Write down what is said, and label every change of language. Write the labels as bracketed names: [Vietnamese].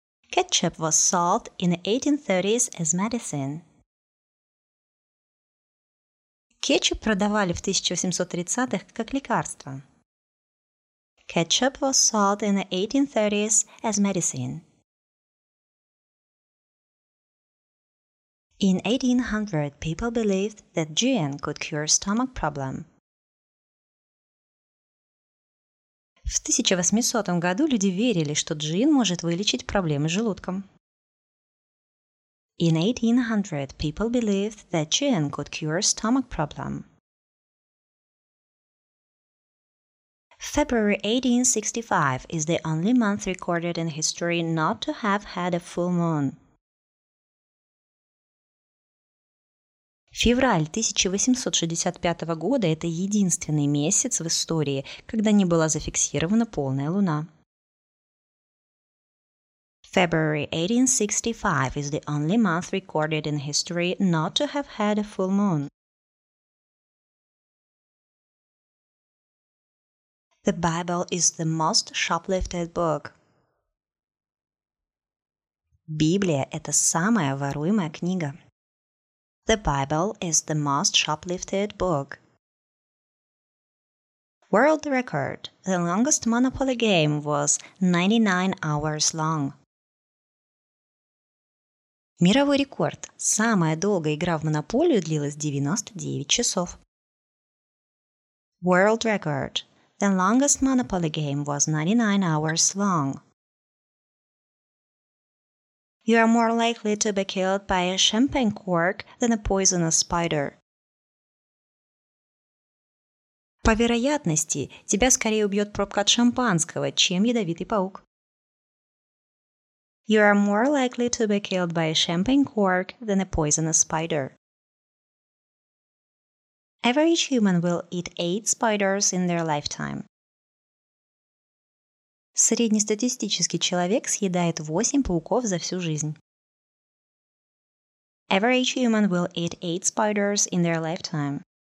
[English] Ketchup was sold in the 1830s as medicine. [Russian] Кетчуп продавали в 1830-х как лекарство. [English] Ketchup was sold in the 1830s as medicine. In 1800, people believed that gin could cure stomach problem. [Russian] В 1800 году люди верили, что джин может вылечить проблемы с желудком. [English] In 1800, people believed that gin could cure stomach problem. February 1865 is the only month recorded in history not to have had a full moon. [Russian] Февраль 1865 года – это единственный месяц в истории, когда не была зафиксирована полная луна. [English] February 1865 is the only month recorded in history not to have had a full moon. The Bible is the most shoplifted book. [Russian] Библия – это самая воруемая книга. [English] The Bible is the most shoplifted book. World record. The longest Monopoly game was 99 hours long. [Russian] Мировой рекорд. Самая долгая игра в монополию длилась 99 часов. [English] World record. The longest Monopoly game was 99 hours long. You are more likely to be killed by a champagne cork than a poisonous spider. [Russian] По вероятности, тебя скорее убьет пробка от шампанского, чем ядовитый паук. [English] You are more likely to be killed by a champagne cork than a poisonous spider. Average human will eat 8 spiders in their lifetime. [Russian] Среднестатистический человек съедает 8 пауков за всю жизнь. [English] Average human will eat 8 spiders in their lifetime.